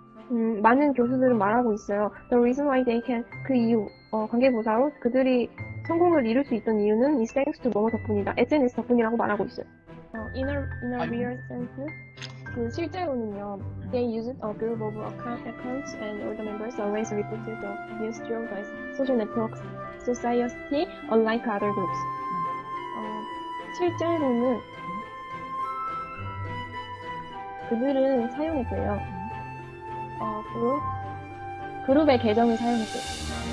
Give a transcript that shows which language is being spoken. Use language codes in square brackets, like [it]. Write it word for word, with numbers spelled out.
[ko] 음, 많은 교수들은 말하고 있어요. [en] The reason why they can [ko] 그 이유 어, 관계부사로 그들이 성공을 이룰 수 있던 이유는 [en] is thanks to [ko] 뭐뭐 덕분이다. 에스엔에스 덕분이라고 말하고 있어요. [en] 어, in a, in a real sense [ko] 그 실제로는요. [en] They used a group of account, accounts and all the members always reported the news through the social networks, society, unlike other groups. [ko] 어, 실제로는 그들은 사용했대요. 어, 그룹? 그룹의 계정을 사용했어요.